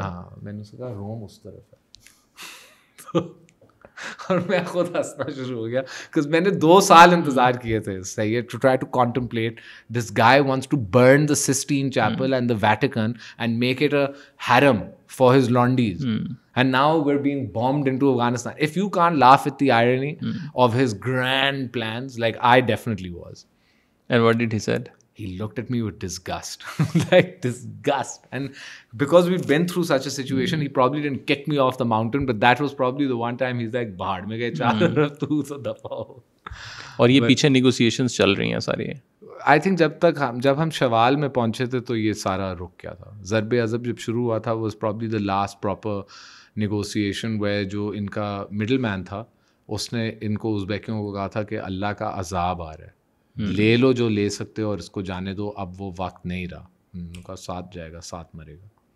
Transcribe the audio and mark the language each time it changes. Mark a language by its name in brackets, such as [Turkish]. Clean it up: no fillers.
[Hindi] हाँ, मैंने उसे कहा रोम उस तरफ है। और मैं खुद हंसना शुरू हो गया, [English] because [Hindi] मैंने 2 साल इंतजार किए थे, सही है, [English] To try to contemplate this guy wants to burn the Sistine Chapel and the Vatican and make it a harem for his laundies, and now we are being bombed into Afghanistan. If you can laugh at the irony of his grand plans, like I definitely was. And what did he said? He looked at me with disgust, like disgust. And because we've been through such a situation, he probably didn't kick me off the mountain, but that was probably the one time he's like, [Hindi] "Bahar mein gaye chaar tu so dafao." और ये पीछे negotiations चल रही हैं सारी। I think जब हम शवाल में पहुंचे थे तो ये सारा रुक गया था। ज़र्बे अज़ब जब शुरू हुआ था, [English] was probably the last proper negotiation where [Hindi] जो इनका middleman था, उसने इनको उज़्बेकियों को कहा था कि अल्लाह का अज़ाब आ रहा है, ले लो जो ले सकते हो और इसको जाने दो, अब वो वक्त नहीं रहा, उनका साथ जाएगा, साथ मरेगा।